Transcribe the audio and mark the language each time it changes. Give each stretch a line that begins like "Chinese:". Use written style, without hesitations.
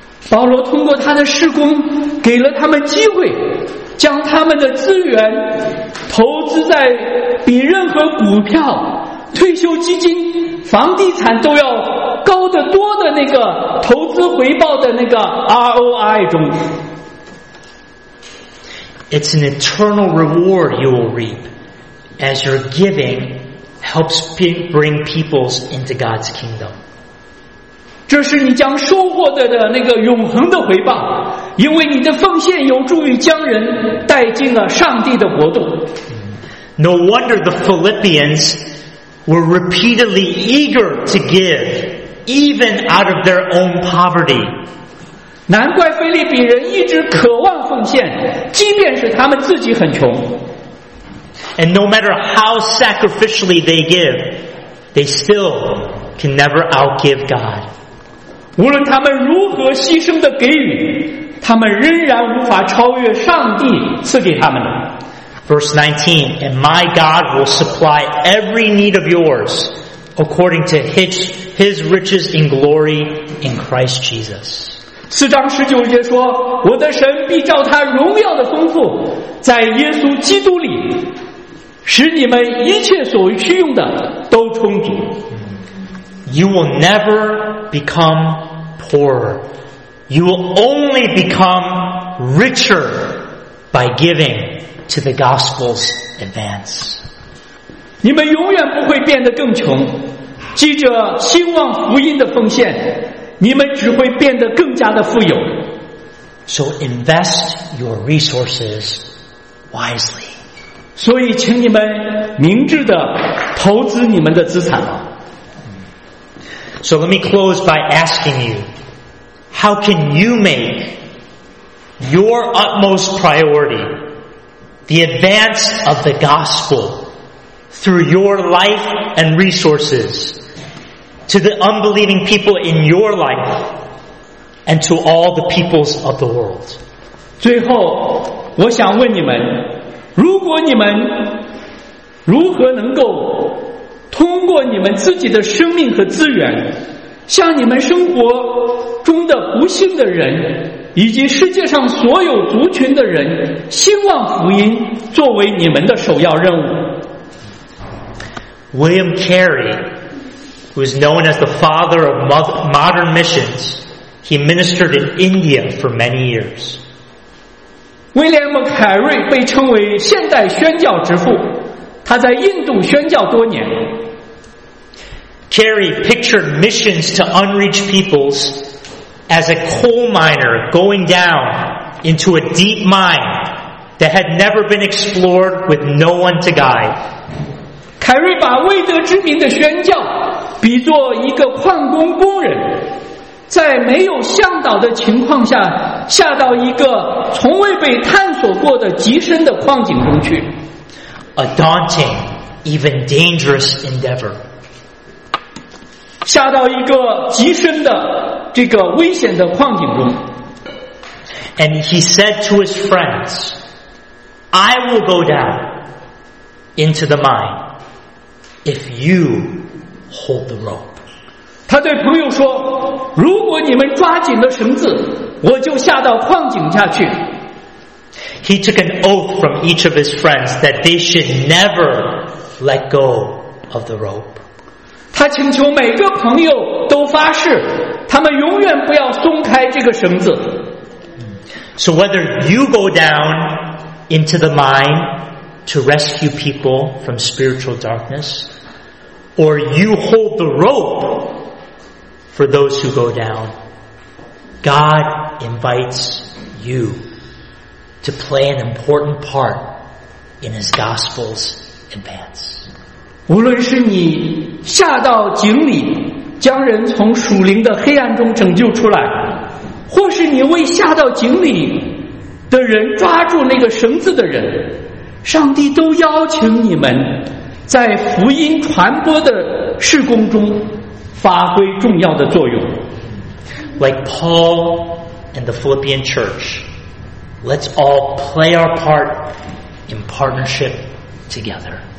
Chinese: 保罗通过他的事工给了他们机会将他们的资源投资在比任何股票、退休基金、房地产都要高得多的那个投资回报的那个 ROI 中。
English: It's an eternal reward you will reap as your giving helps bring peoples into God's kingdom.
Chinese: 这是你将收获的那个永恒的回报，因为你的奉献有助于将人带进了上帝的国度。
English: No wonder the Philippians were repeatedly eager to give, even out of their own poverty.
Chinese: 难怪腓立比人一直渴望奉献，即便是他们自己很穷。
English: And no matter how sacrificially they give, they still can never outgive God.
Chinese: 无论他们如何牺牲的给予，他们仍然无法超越上帝赐给他们的。
English: Verse 19, and my God will supply every need of yours according to his riches in glory in Christ Jesus.
Chinese: 四章十九节说，我的神必照他荣耀的丰富，在耶稣基督里，使你们一切所需用的都充足。
English: You will never become poorer. You will only become richer by giving to the gospel's advance.
Chinese: 你们永远不会变得更穷，记着希望福音的奉献，你们只会变得更加的富有。
English: So invest your resources wisely.
Chinese: 所以请你们明智地投资你们的资产。
English: So let me close by asking you, how can you make your utmost priority the advance of the gospel through your life and resources to the unbelieving people in your life and to all the peoples of the world.
Chinese: 最后我想问你们，如果你们如何能够通过你们自己的生命和资源向你们生活中的不幸的人以及世界上所有族群的人兴旺福音作为你们的首要任务。
English: William Carey, who is known as the father of modern missions, he ministered in India for many years.
Chinese: 威廉姆凯瑞被称为现代宣教之父，他在印度宣教多年。
English: Carey pictured missions to unreached peoples as a coal miner going down into a deep mine that had never been explored with no one to guide.
Chinese: 凯瑞把未得之民的宣教比作一个矿工工人在没有向导的情况下下到一个从未被探索过的极深的矿井中去。
English: A daunting, even dangerous endeavor.
Chinese: 下到一个极深的这个危险的矿井中。
English: And he said to his friends, I will go down into the mine if you hold the rope.
Chinese: 他对朋友说，如果你们抓紧了绳子，我就下到矿井下去。
English: He took an oath from each of his friends that they should never let go of the rope.
Chinese: 他请求每个朋友都发誓，他们永远不要松开这个绳子。
English: So whether you go down into the mine to rescue people from spiritual darkness, or you hold the rope for those who go down, God invites you to play an important part in His gospel's advance.
Chinese: 无论是你下到井里，将人从属灵的黑暗中拯救出来，或是你为下到井里的人抓住那个绳子的人，上帝都邀请你们在福音传播的事工中发挥重要的作用。
English: Like Paul and the Philippian church, let's all play our part in partnership together.